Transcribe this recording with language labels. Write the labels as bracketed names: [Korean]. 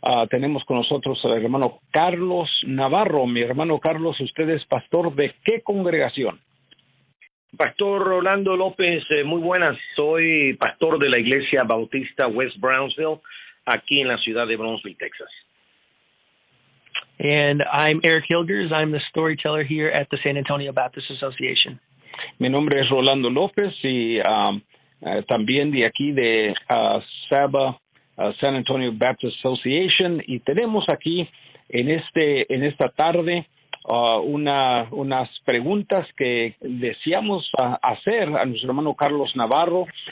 [Spanish] Tenemos con nosotros al hermano Carlos Navarro. Mi hermano Carlos, usted es pastor de ¿qué congregación? Pastor Rolando López, muy buenas. Soy pastor de la Iglesia Bautista West Brownsville, aquí en la ciudad de Brownsville, Texas. [English] And I'm Eric Hilgers. I'm the storyteller here at the San Antonio Baptist Association. [Spanish] Mi nombre es Rolando López y también de aquí de Saba, San Antonio Baptist Association. Y tenemos aquí en esta tarde unas preguntas que deseamos hacer a nuestro hermano Carlos Navarro.